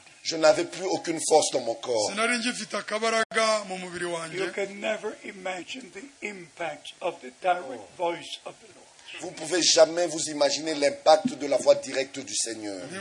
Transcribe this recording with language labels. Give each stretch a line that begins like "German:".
French: Je n'avais plus aucune force dans mon corps.
English: You can never imagine the impact of the direct voice of the Lord.
French: Vous ne pouvez jamais vous imaginer l'impact de la voix directe du Seigneur.